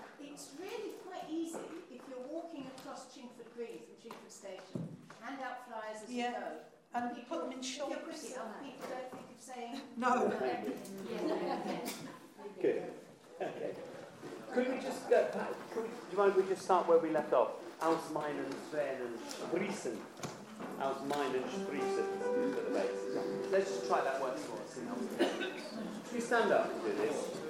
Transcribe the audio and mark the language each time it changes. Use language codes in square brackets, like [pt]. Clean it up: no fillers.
[en] It's really quite easy if you're walking across Chingford Green from Chingford Station, hand out flyers as you go. And people, put them in shorts. If you're pretty, other people don't think of saying no. Good. Okay. Could we just go back? Do you mind if we just start where we left off? [de] Aus meinen Tränen sprießen. Aus meinen Sprießen. [en] Let's just try that once more. Can you stand up and do this?